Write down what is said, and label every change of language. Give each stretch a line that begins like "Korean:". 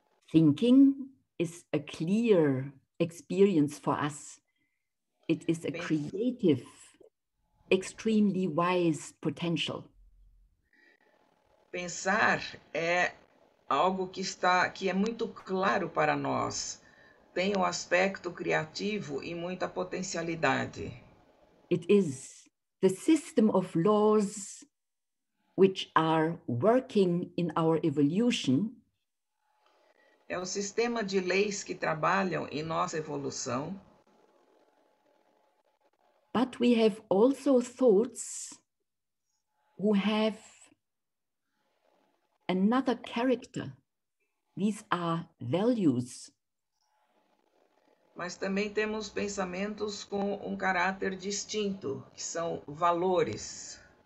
English: Thinking is a clear experience for us. It is a creative, extremely wise potential.
Portuguese: Pensar é algo que é muito claro para nós. Tem um aspecto criativo e muita potencialidade.
English: It is the system of laws which are working in our evolution.
Portuguese: É o sistema de leis que trabalham em nossa evolução.
English: But we have also thoughts who have another character. These are values.
Portuguese: Mas também temos pensamentos com um caráter distinto, que são valores.